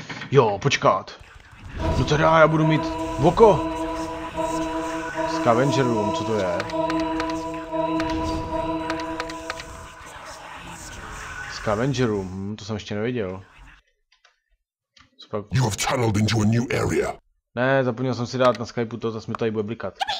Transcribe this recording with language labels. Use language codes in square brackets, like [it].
[cs] Jo, počkat. No teda, já budu mít oko. Scavenger room, co to je? Scavenger room, to jsem ještě neviděl. [en] You have tunneled into a new area. [cs] Ne, zapomněl jsem si dát na Skypeu to, zase mi tady bude blikat.